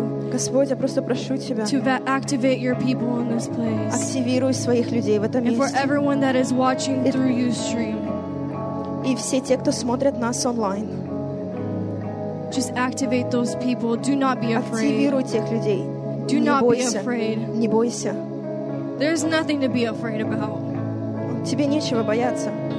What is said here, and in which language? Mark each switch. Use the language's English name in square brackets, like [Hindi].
[Russian] Господь, я просто прошу Тебя [English] to activate your people in this place. [Russian] Активируй своих людей в этом месте. [English] And for everyone that is watching through Ustream. [Russian] И все те, кто смотрят нас онлайн. [English] Just activate those people. Do not be afraid. [Russian] Активируй тех людей. [English] Do not be afraid. [Russian] Не бойся. [English] There's nothing to be afraid about. [Russian] Тебе нечего бояться.